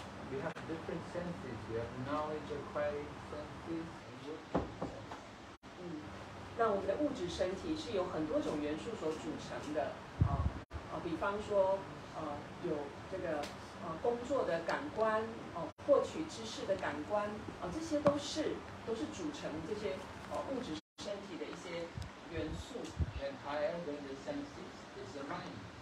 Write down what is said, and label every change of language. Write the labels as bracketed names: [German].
[English] We have different senses. We have knowledge acquiring senses and working senses. [Chinese] 那我们的物质身体是由很多种元素所组成的比方说有这个工作的感官获取知识的感官这些都是组成这些物质身体的一些元素。 [English] And higher than the senses is the mind.